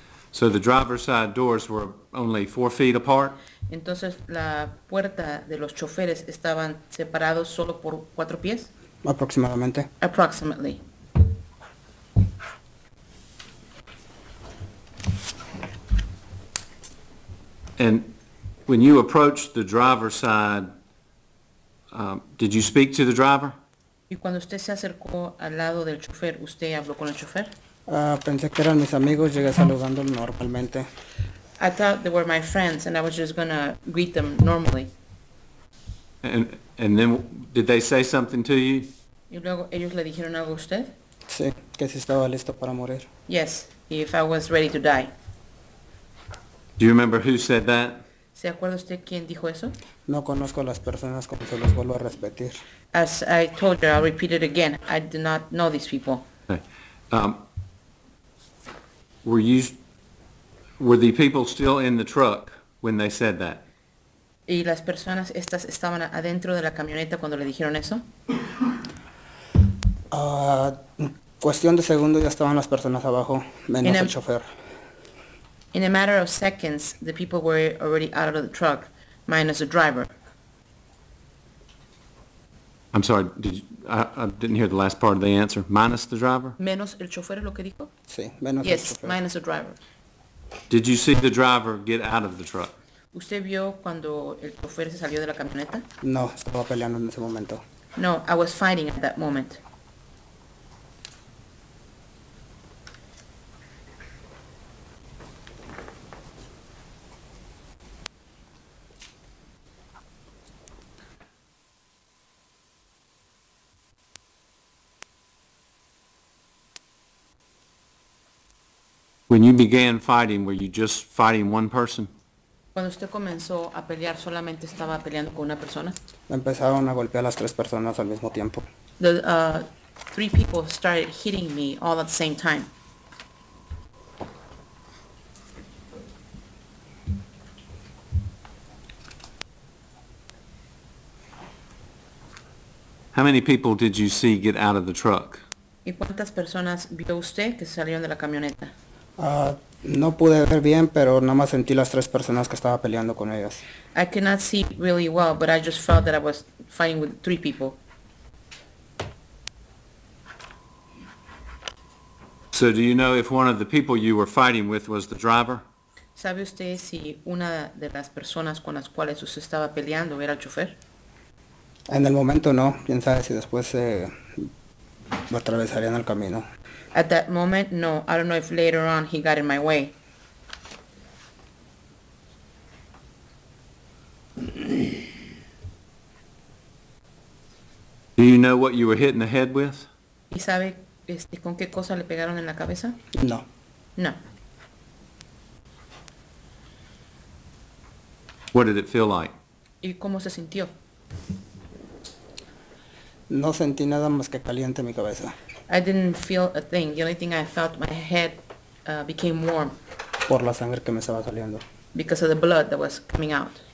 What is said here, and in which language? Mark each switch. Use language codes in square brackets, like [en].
[en] So the driver's side doors were only 4 feet apart? [es] Entonces la puerta de los choferes estaban separados solo por 4 pies? Aproximadamente. [en] Approximately. And when you approached the driver's side, did you speak to the driver? [es] Y cuando usted se acercó al lado del chofer, ¿usted habló con el chofer? Pensé que eran mis amigos, llegué saludando normalmente. [en] I thought they were my friends and I was just going to greet them normally. And then, did they say something to you? [es] ¿Y luego ellos le dijeron algo a usted? Sí, que si estaba listo para morir. [en] Yes, if I was ready to die. Do you remember who said that? [es] ¿Se acuerda usted quién dijo eso? No conozco a las personas, como se los vuelvo a repetir. [en] As I told you, I'll repeat it again. I do not know these people. Okay. Were the people still in the truck when they said that? [es] ¿Y las personas estas estaban adentro de la camioneta cuando le dijeron eso? Cuestión de segundo ya estaban las personas abajo, menos el chofer. [en] In a matter of seconds, the people were already out of the truck, minus the driver. I'm sorry, I didn't hear the last part of the answer. Minus the driver? [es] Menos el chofer, lo que dijo? Sí, menos [en] yes, [es] el chofer. [en] Yes, minus the driver. Did you see the driver get out of the truck? [es] ¿Usted vio cuando el chofer se salió de la camioneta? No, estaba peleando en ese momento. [en] No, I was fighting at that moment. When you began fighting, were you just fighting one person? [es] Cuando usted comenzó a pelear, solamente estaba peleando con una persona. Empezaron a golpear las tres personas al mismo tiempo. [en] The three people started hitting me all at the same time. How many people did you see get out of the truck? [es] ¿Y cuántas personas vio usted que salieron de la camioneta? No pude ver bien, pero nada más sentí las tres personas que estaba peleando con ellas. [en] I could not see really well, but I just felt that I was fighting with three people. So do you know if one of the people you were fighting with was the driver? [es] ¿Sabe usted si una de las personas con las cuales usted estaba peleando era el chofer? En el momento no, quién sabe si después se atravesarían el camino. [en] At that moment, no. I don't know if later on he got in my way. Do you know what you were hitting the head with? [es] ¿Y sabe con qué cosa le pegaron en la cabeza? No. [en] No. What did it feel like? [es] ¿Y cómo se sintió? No sentí nada más que caliente mi cabeza. [en] I didn't feel a thing. The only thing I felt, my head became warm. [es] Por la sangre que me estaba saliendo. [en] Because of the blood that was coming out.